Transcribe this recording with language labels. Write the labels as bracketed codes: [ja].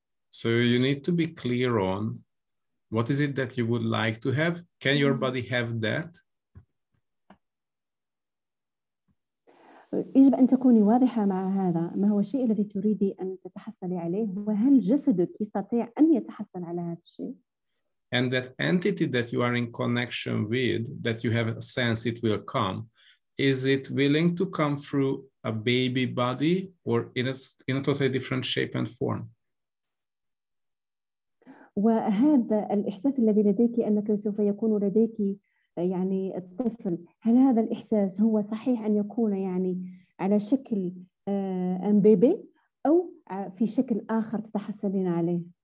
[en] So you need to be clear on what is it that you would like to have. Can your body have that? [ar] يجب أن تكوني واضحة مع هذا. ما هو الشيء الذي تريدي أن تتحصلي عليه؟ وهل جسدك يستطيع أن يتحصل على هذا الشيء؟ [en] And that entity that you are in connection with, that you have a sense it will come, is it willing to come through a baby body or in a totally different shape and form? [ar] وهذا الإحساس الذي لديك أنك سوف يكون لديك يعني الطفل، هل هذا الإحساس هو صحيح أن يكون يعني على شكل أم بيبي أو في شكل آخر تتحصلين عليه؟